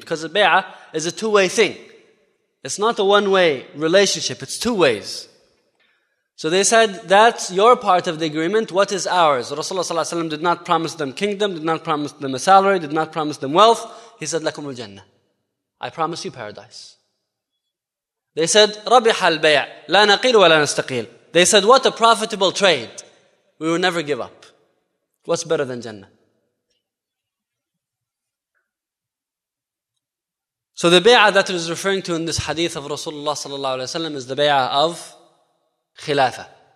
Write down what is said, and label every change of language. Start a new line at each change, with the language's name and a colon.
English: Because the bay'ah is a two-way thing. It's not a one-way relationship, it's two ways. So they said, that's your part of the agreement, what is ours? Rasulullah ﷺ did not promise them kingdom, did not promise them a salary, did not promise them wealth. He said,
Arabic: لَكُمُ الْجَنَّةِ,
English: I promise you paradise. They said,
Arabic: رَبِحَ الْبَيْعَ لَا نَقِيلُ وَلَا نَسْتَقِيلُ.
English: They said, what a profitable trade. We will never give up. What's better than Jannah? So the bay'ah that it is referring to in this hadith of Rasulullah sallallahu alayhi wa sallam is the bay'ah of khilafah.